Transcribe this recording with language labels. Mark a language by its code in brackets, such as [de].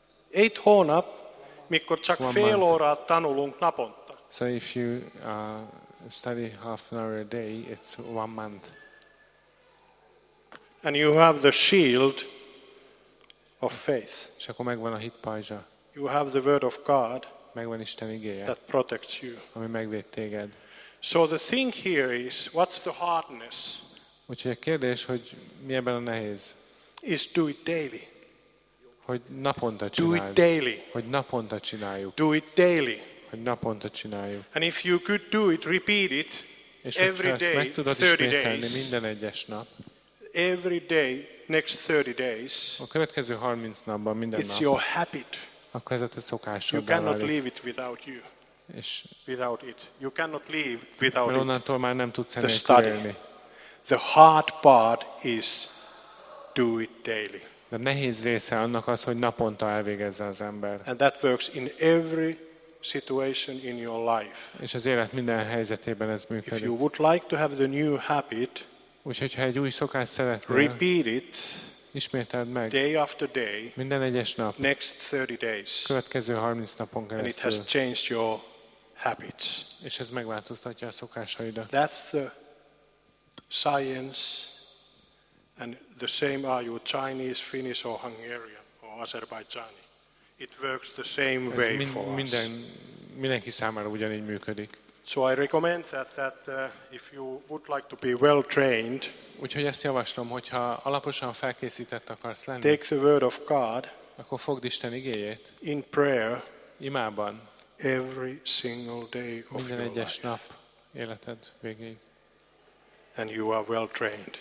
[hu] Egy hónap, mikor csak fél órát tanulunk naponta. [en] So if you study half an hour a day, it's one month. And you have the shield of faith. [hu] És akkor megvan a hit pajzsa. [en] You have the word of God. [hu] Megvan Isten igéje. [en] That protects you. [hu] Ami megvéd téged. [en] So the thing here is, what's the hardness? [hu] Úgyhogy a kérdés, hogy mi ebben a nehéz? [en] Is do it daily. [hu] Hogy naponta csináljuk. [en] Do it daily. [hu] Hogy naponta csináljuk. [en] Do it daily. [hu] Hogy naponta csináljuk. [en] And if you could do it, repeat it every day, 30 days. [hu] Minden egyes nap. [en] Every day, next 30 days. [hu] A következő 30 napban minden nap. [en] It's your habit. [hu] Akkor ez a te szokásodban. [en] You cannot live it without you. [hu] És [en] without it. You cannot live without it. [hu] Onnantól már nem tudsz enélkül élni. [en] The hard part is do it daily. [hu] De nehéz része annak az, hogy naponta elvégezze az ember. [en] And that works in every situation in your life. [hu] És az élet minden helyzetében ez működik. [en] If you would like to have the new habit, [hu] úgyhogy ha egy új szokás szeretnél, [en] repeat it, [hu] ismételd meg, [en] day after day, [hu] minden egyes nap, [en] next 30 days, [hu] következő 30 napon keresztül, [en] and it has changed your habits. [hu] És ez megváltoztatja a szokásaidat. [en] That's the science. And the same are you Chinese, Finnish or Hungarian or Azerbaijani. It works the same way for us. [hu] Mindenki számára ugyanígy működik. [en] So I recommend that if you would like to be well trained, [hu] úgyhogy ezt javaslom, hogyha alaposan felkészített akarsz lenni, [en] take the word of God, [hu] akkor fogd Isten igéjét, [en] in prayer, [hu] imában, [en] every single day of [hu] minden [en] your [hu] egyes [en] life. [hu] Nap életed végéig. [en] And you are well trained.